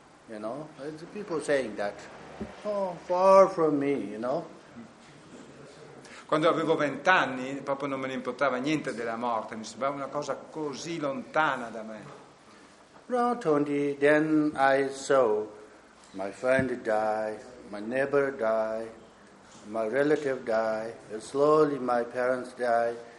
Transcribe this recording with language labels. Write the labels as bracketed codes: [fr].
[en] You know, it's people saying that. Oh, far from me, you know. [it] Quando avevo 20 anni, proprio non me ne importava niente della morte, mi sembrava una cosa così lontana da me. [en] Around 20, then I saw my friend die, my neighbor die, my relative die, and slowly my parents die.